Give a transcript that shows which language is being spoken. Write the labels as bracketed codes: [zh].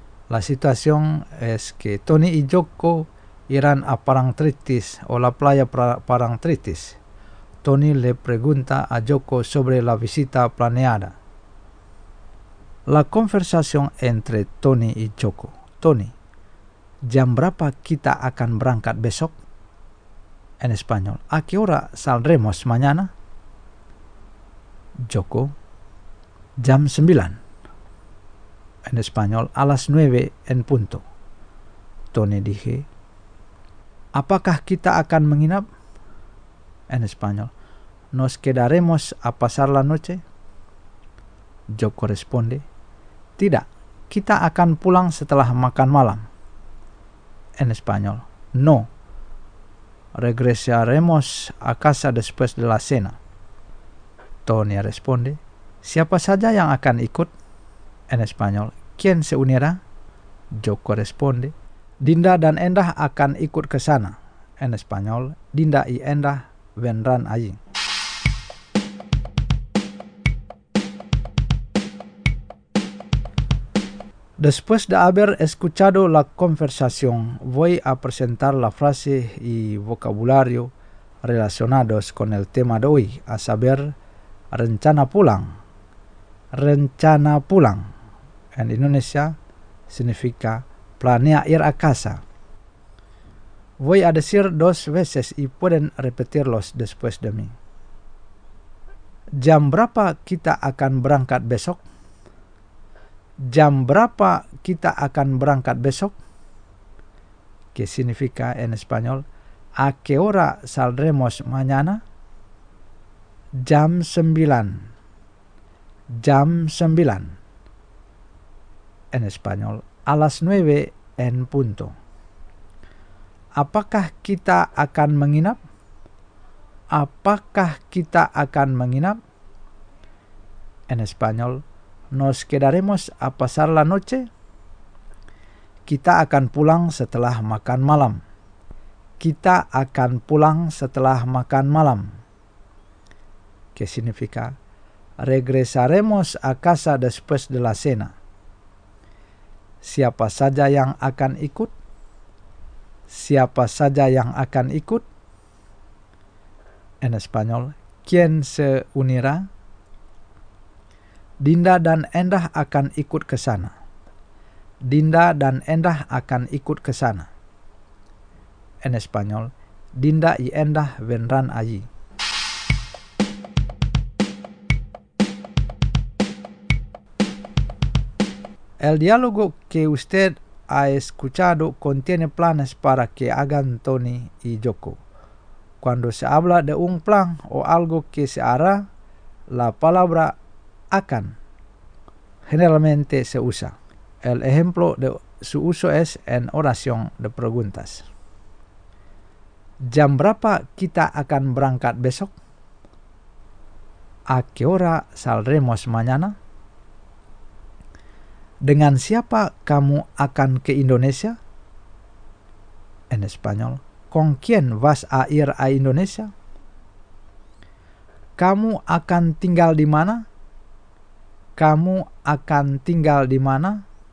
[es] La situación es que Tony y Joko irán a Parangtritis o la playa Parangtritis. Tony le pregunta a Joko sobre la visita planeada. La conversación entre Tony y Joko. Tony, [id] jam berapa kita akan berangkat besok? [es] En español. ¿A qué hora saldremos mañana? Joko. [id] Jam 9. [es] En español. A las 9 en punto. Tony dije. [id] ¿Apakah kita akan menginap? [es] En español. ¿Nos quedaremos a pasar la noche? Joko responde. [id] Tidak. Kita akan pulang setelah makan malam. [es] En español. No. Regresaremos a casa después de la cena. Tony responde. [id] ¿Siapa saja yang akan ikut? [es] En español. ¿Quién se unirá? Joko responde. [id] Dinda dan Endah akan ikut ke sana. [es] En español. Dinda y Endah vendrán allí. Después de haber escuchado la conversación, voy a presentar la frase y vocabulario relacionados con el tema de hoy, a saber, rencana pulang. Rencana pulang. En Indonesia significa planea ir a casa. Voy a decir dos veces y pueden repetirlos después de mí. [id] ¿Jam berapa kita akan berangkat besok? Jam berapa kita akan berangkat besok? [es] ¿Qué significa en español? ¿A qué hora saldremos mañana? [id] Jam 9. Jam 9. [es] En español, a las 9 en punto. [id] ¿Apakah kita akan menginap? ¿Apakah kita akan menginap? [es] En español, ¿nos quedaremos a pasar la noche? [id] Kita akan pulang setelah makan malam. Kita akan pulang setelah makan malam. [es] ¿Qué significa? Regresaremos a casa después de la cena. [id] ¿Siapa saja yang akan ikut? ¿Siapa saja yang akan ikut? [es] En español, ¿quién se unirá? [id] Dinda dan Endah akan ikut ke sana. Dinda dan Endah akan ikut ke sana. [es] En español, Dinda y Endah vendrán allí. El diálogo que usted ha escuchado contiene planes para que hagan Tony y Joko. Cuando se habla de un plan o algo que se hará, la palabra akan generalmente se usa. El ejemplo de su uso es en oración de preguntas. [id] ¿Jam berapa kita akan berangkat besok? [es] ¿A qué hora saldremos mañana? [id] ¿Dengan siapa kamu akan ke Indonesia? [es] En español, ¿con quién vas a ir a Indonesia? [id] ¿Kamu akan tinggal di mana? ¿Kamu akan tinggal di mana?